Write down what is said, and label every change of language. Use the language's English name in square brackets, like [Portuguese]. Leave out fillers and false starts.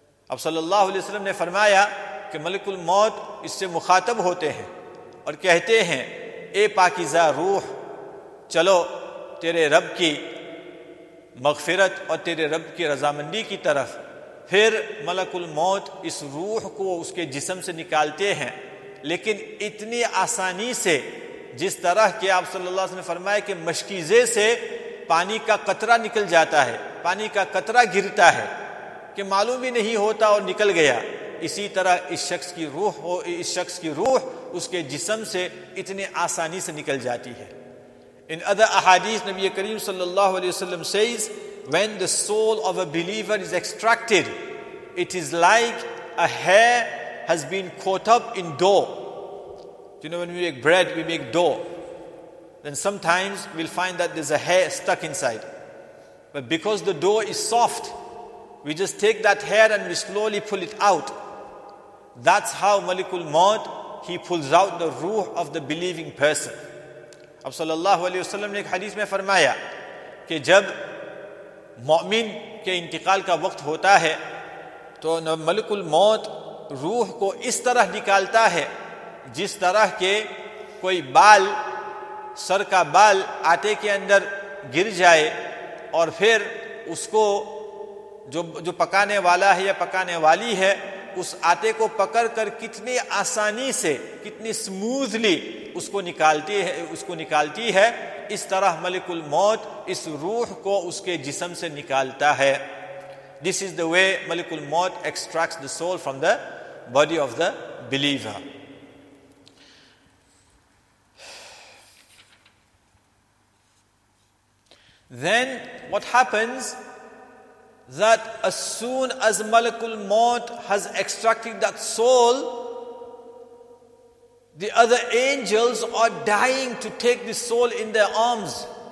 [Urdu] Ab sallallahu alayhi wa sallam ne farmaya ke Malakul Maut isse mukhatab hote hain aur kehte hain, "Ey Pakiza Ruh, chalo tere Rab ki مغفرت اور تیرے رب کی رضامندی کی طرف." پھر ملک الموت اس روح کو اس کے جسم سے نکالتے ہیں, لیکن اتنی آسانی سے, جس طرح کہ آپ صلی اللہ علیہ وسلم نے فرمایا کہ مشکیزے سے پانی کا قطرہ نکل جاتا ہے, پانی کا قطرہ گرتا ہے کہ معلوم بھی نہیں ہوتا اور نکل گیا, اسی طرح اس شخص کی روح ہو, اس شخص کی روح اس کے جسم سے اتنی آسانی سے نکل جاتی ہے. [English] In other ahadith, Nabi Kareem sallallahu alayhi wa sallam says, when the soul of a believer is extracted, it is like a hair has been caught up in dough. You know, when we make bread, we make dough. Then sometimes we'll find that there's a hair stuck inside. But because the dough is soft, we just take that hair and we slowly pull it out. That's how Malikul Maut, he pulls out the ruh of the believing person. [Urdu] اب صلی اللہ علیہ وسلم نے ایک حدیث میں فرمایا کہ جب مومن کے انتقال کا وقت ہوتا ہے تو ملک الموت روح کو اس طرح نکالتا ہے جس طرح کہ کوئی بال, سر کا بال آٹے کے اندر گر جائے اور پھر اس کو جو پکانے والا ہے یا پکانے والی ہے اس آٹے کو پکڑ کر کتنی آسانی سے, کتنی سموزلی اس کو نکالتی ہے, اس طرح ملک الموت اس روح کو اس کے جسم سے نکالتا ہے. [English] This is the way ملک الموت extracts the soul from the body of the believer. Then what happens that as soon as ملک الموت has extracted that soul, the other angels are dying to take this soul in their arms.